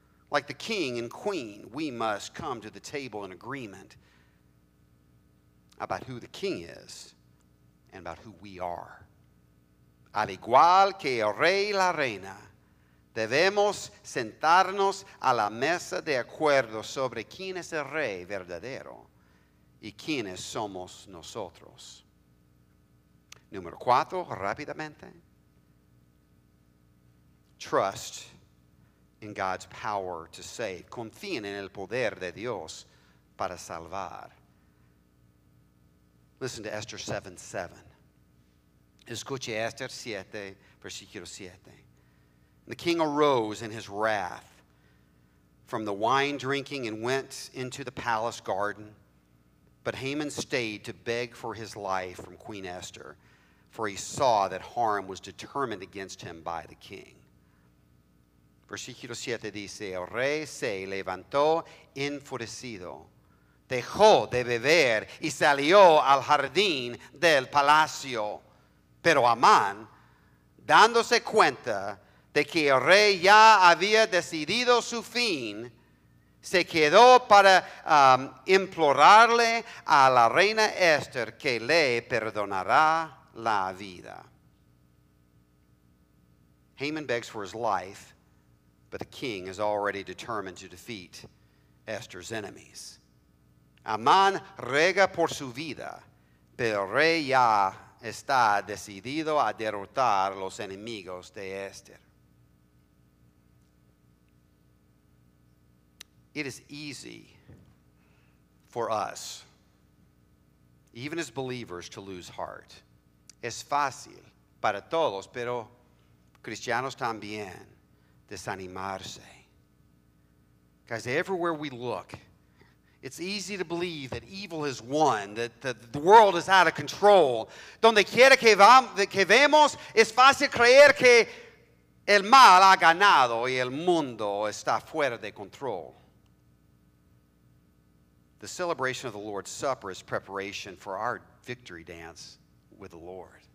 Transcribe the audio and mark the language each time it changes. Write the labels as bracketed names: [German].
[English] Like the king and queen, we must come to the table in agreement about who the king is and about who we are. [Spanish] Al igual que el rey y la reina, debemos sentarnos a la mesa de acuerdo sobre quién es el rey verdadero y quiénes somos nosotros. Número 4, rápidamente. [English] Trust in God's power to save. [Spanish] Confíen en el poder de Dios para salvar. [English] Listen to Esther 7:7. [Spanish] Escuche Esther 7, versículo 7. [English] The king arose in his wrath from the wine drinking and went into the palace garden. But Haman stayed to beg for his life from Queen Esther, for he saw that harm was determined against him by the king. [Spanish] Versículo 7 dice, el rey se levantó enfurecido, dejó de beber y salió al jardín del palacio. Pero Amán, dándose cuenta de que el rey ya había decidido su fin, se quedó para implorarle a la reina Esther que le perdonará la vida. [English] Haman begs for his life, but the king is already determined to defeat Esther's enemies. [Spanish] Amán ruega por su vida, pero el rey ya está decidido a derrotar los enemigos de Esther. [English] It is easy for us, even as believers, to lose heart. [Spanish] Es fácil para todos, pero cristianos también, desanimarse. [English] Guys, everywhere we look, it's easy to believe that evil has won, that the world is out of control. [Spanish] Donde quiera que vemos, es fácil creer que el mal ha ganado y el mundo está fuera de control. [English] The celebration of the Lord's Supper is preparation for our victory dance with the Lord.